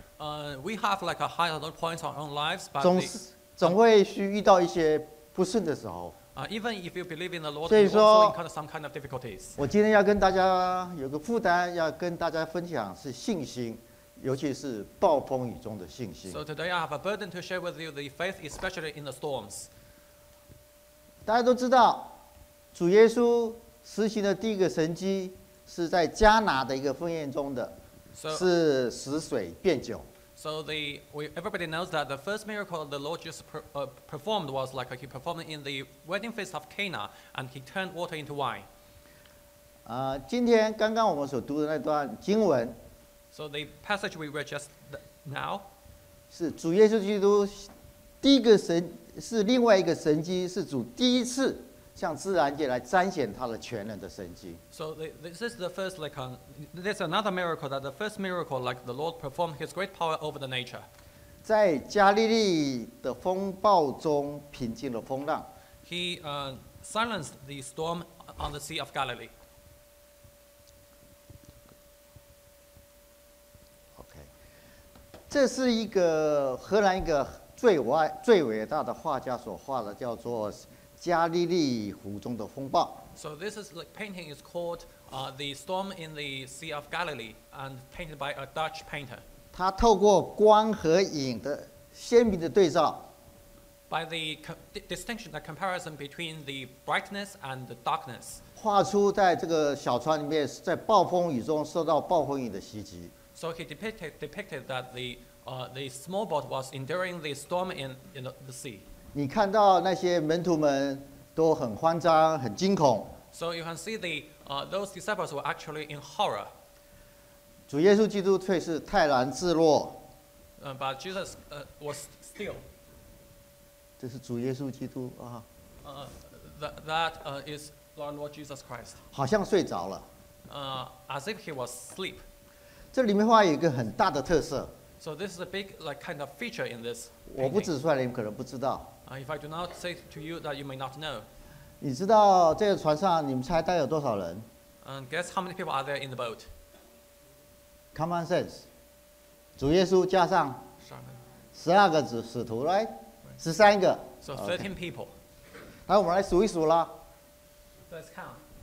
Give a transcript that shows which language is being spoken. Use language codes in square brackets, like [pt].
[en] We have like a high and low points on our own lives, but [zh] 总会需遇到一些不顺的时候。 [en] Even if you believe in the Lord, you also encounter some kind of difficulties. [zh] 我今天要跟大家有个负担，要跟大家分享是信心。尤其是暴风雨中的信心。 [en] So today I have a burden to share with you the faith, especially in the storms. [zh] 大家都知道，主耶稣实行的第一个神迹是在迦拿的一个婚宴中的，是使水变酒。 [en] So everybody knows that the first miracle the Lord just performed was like he performed in the wedding feast of Cana, and he turned water into wine. [zh] 今天刚刚我们所读的那段经文。 [en] So the passage we read just now, [zh] 是主耶稣基督第一个神是另外一个神迹，是主第一次向自然界来彰显他的全能的神迹。 [en] So this is the first like there's another miracle that the first miracle like the Lord performed His great power over the nature. [zh] 在加利利的风暴中平静了风浪。 [en] He silenced the storm on the Sea of Galilee. [zh] 这是一个荷兰一个最伟大的画家所画的，叫做《加利利湖中的风暴》。 [en] So this is like painting is called the Storm in the Sea of Galilee, and painted by a Dutch painter. [zh] 他透过光和影的鲜明的对照， [en] by the distinction, the comparison between the brightness and the darkness. [zh] 画出在这个小船里面，在暴风雨中受到暴风雨的袭击。 [en] So he depicted that the small boat was enduring the storm in the sea. [zh] 你看到那些门徒们都很慌张，很惊恐。 [en] So you can see those disciples were actually in horror. [zh] 主耶稣基督却是泰然自若。 [en] But Jesus was still. [zh] 这是主耶稣基督啊。 [en] That is our Lord Jesus Christ. [zh] 好像睡着了。 [en] As if he was asleep. [zh] 这里面话有一个很大的特色。 [en] So this is a big like kind of feature in this. [zh] 我不指出来，你们可能不知道。 [en] If I do not say to you that you may not know. [zh] 你知道这个船上你们猜大概有多少人？ [en] Guess how many people are there in the boat? Common sense. [zh] 主耶稣加上十二个使徒 ，right? 十三个。 [en] So 13 people. [zh] 来，我们来数一数啦。 [en] Let's count.